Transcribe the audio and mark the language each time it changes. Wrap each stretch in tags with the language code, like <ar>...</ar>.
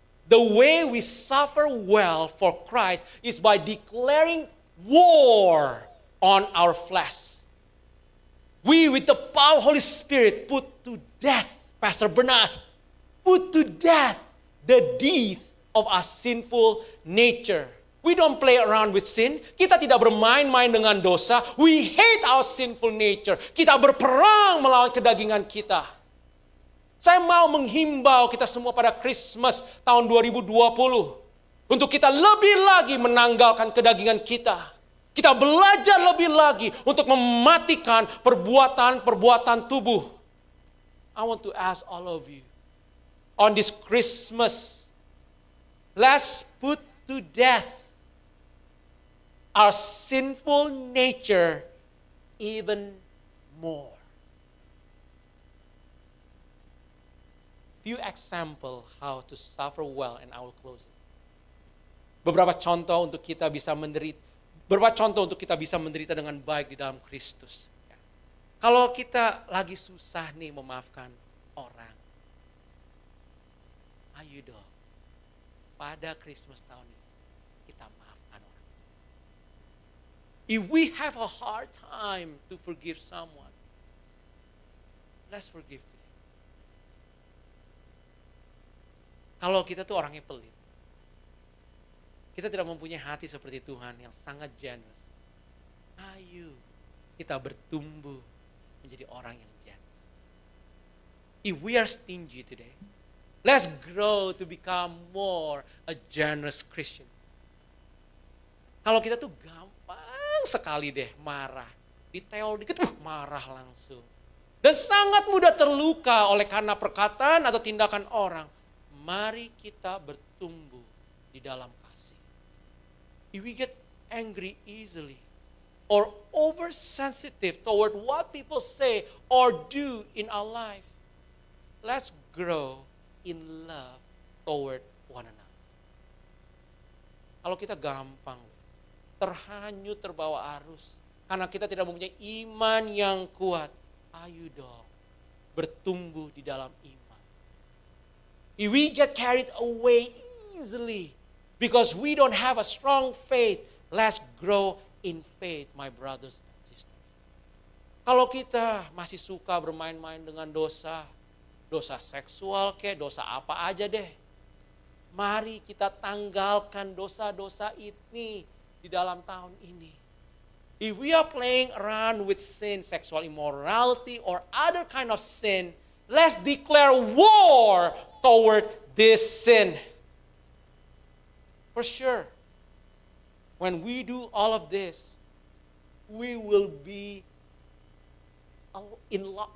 <en>The way we suffer well for Christ is by declaring war on our flesh. We, with the power of the Holy Spirit, put to death, Pastor Bernard, put to death the deeds of our sinful nature. We don't play around with sin.</en> <id>Kita tidak bermain-main dengan dosa.</id> <en>We hate our sinful nature.</en> <id>Kita berperang melawan kedagingan kita. Saya mau menghimbau kita semua pada Christmas tahun 2020. Untuk kita lebih lagi menanggalkan kedagingan kita. Kita belajar lebih lagi untuk mematikan perbuatan-perbuatan tubuh.</id> <en>I want to ask all of you, on this Christmas, let's put to death our sinful nature even more. Few examples how to suffer well, and I will close it.</en> <id>Beberapa contoh untuk kita bisa menderita. Berbuat contoh untuk kita bisa menderita dengan baik di dalam Kristus. Ya. Kalau kita lagi susah nih memaafkan orang, ayo dong, pada Christmas tahun ini, kita maafkan orang.</id> <en>If we have a hard time to forgive someone, let's forgive today.</en> <id>Kalau kita tuh orangnya pelit, kita tidak mempunyai hati seperti Tuhan yang sangat generous. Ayo kita bertumbuh menjadi orang yang generous.</id> <en>If we are stingy today, let's grow to become more a generous Christian.</en> <id>Kalau kita tuh gampang sekali deh marah, diteol dikit, marah langsung. Dan sangat mudah terluka oleh karena perkataan atau tindakan orang. Mari kita bertumbuh di dalam.</id> <en>If we get angry easily or oversensitive toward what people say or do in our life, let's grow in love toward one another.</en> <id>Kalau kita gampang terhanyut terbawa arus karena kita tidak mempunyai iman yang kuat, ayo dong bertumbuh di dalam iman.</id> <en>If we get carried away easily because we don't have a strong faith, let's grow in faith, my brothers and sisters.</en> <id>Kalau kita masih suka bermain-main dengan dosa, dosa seksual ke, dosa apa aja deh, mari kita tanggalkan dosa-dosa ini di dalam tahun ini.</id> <en>If we are playing around with sin, sexual immorality, or other kind of sin, let's declare war toward this sin. For sure, when we do all of this, we will be in lot.</en>